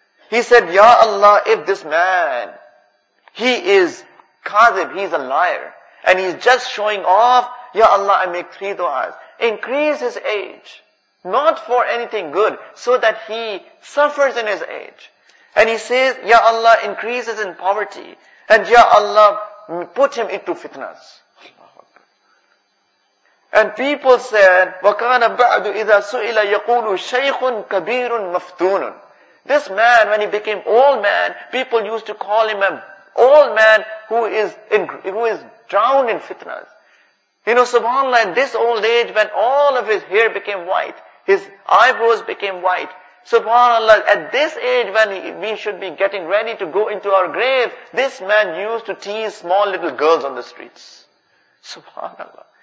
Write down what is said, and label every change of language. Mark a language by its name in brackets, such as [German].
[English] He said, Ya Allah, if this man, he is kadib, he's a liar, and he's just showing off, Ya Allah, I make three du'as. Increase his age. Not for anything good, so that he suffers in his age. And he says, Ya Allah, increases in poverty. And Ya Allah, put him into fitnas. And people said, [Arabic] وَكَانَ بَعْدُ إِذَا سُئِلَ يَقُولُ شَيْخٌ كَبِيرٌ مَفْتُونٌ. [English] This man, when he became old man, people used to call him an old man who is drowned in fitnas. You know, subhanAllah, in this old age, when all of his hair became white, his eyebrows became white, subhanAllah, at this age when we should be getting ready to go into our grave, this man used to tease small little girls on the streets. SubhanAllah.